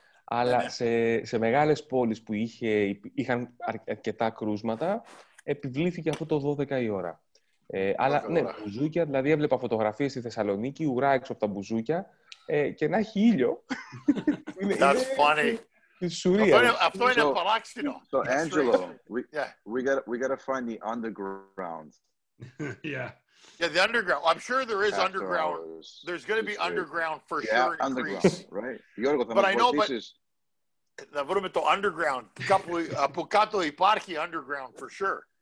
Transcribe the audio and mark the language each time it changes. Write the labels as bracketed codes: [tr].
[el] Αλλά σε μεγάλες πόλεις που είχαν αρκετά κρούσματα, επιβλήθηκε αυτό το 12 η ώρα. Αλλά ναι, μπουζούκια, δηλαδή έβλεπα φωτογραφίες στη Θεσσαλονίκη, ουρά έξω από τα μπουζούκια, και να έχει ήλιο. [en] That's funny. [el] Αυτό είναι παράξενο. [en] So, Angelo, we gotta find the underground. Yeah, the underground. I'm sure there is underground. There's going to be underground for sure in Greece. Right. But I know, [el] θα βρούμε το [en] underground. [el] Από κάτω υπάρχει underground [en] for sure.